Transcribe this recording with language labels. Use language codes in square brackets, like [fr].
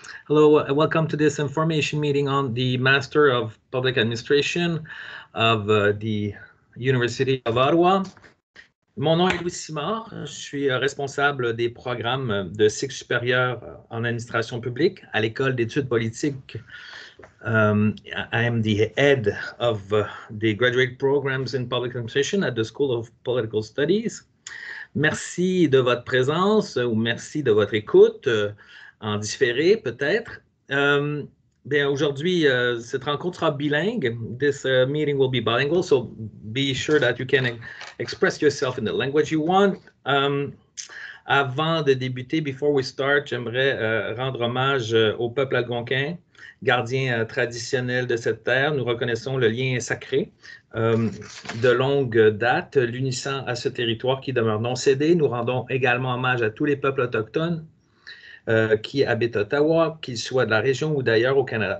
[en] Hello, welcome to this information meeting on the Master of Public Administration of the University of Ottawa. [fr] Mon nom est Louis Simard. Je suis responsable des programmes de cycle supérieur en administration publique à l'École d'études politiques. [en] I am the head of the graduate programs in public administration at the School of Political Studies. [fr] Merci de votre présence ou merci de votre écoute en différé peut-être. Aujourd'hui, cette rencontre sera bilingue. [en] This meeting will be bilingual, so be sure that you can express yourself in the language you want. [fr] Avant de débuter, [en] before we start, [fr] j'aimerais rendre hommage au peuple algonquin, gardien traditionnel de cette terre. Nous reconnaissons le lien sacré de longue date, l'unissant à ce territoire qui demeure non cédé. Nous rendons également hommage à tous les peuples autochtones qui habitent Ottawa, qu'ils soient de la région ou d'ailleurs au Canada.